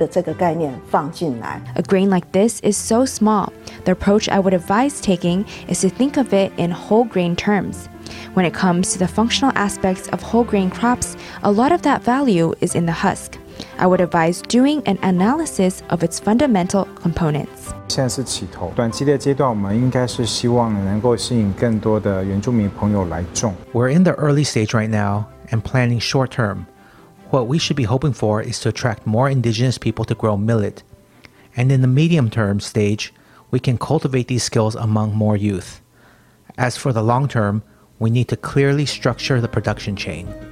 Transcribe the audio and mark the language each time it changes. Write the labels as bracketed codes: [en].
[en] A grain like this is so small. The approach I would advise taking is to think of it in whole grain terms. When it comes to the functional aspects of whole grain crops, a lot of that value is in the husk. I would advise doing an analysis of its fundamental components. [zh] 现在是起头, 短期的阶段, 我们应该是希望能够吸引更多的原住民朋友来种。 [en] We're in the early stage right now and planning short term. What we should be hoping for is to attract more indigenous people to grow millet. And in the medium term stage, we can cultivate these skills among more youth. As for the long term, we need to clearly structure the production chain.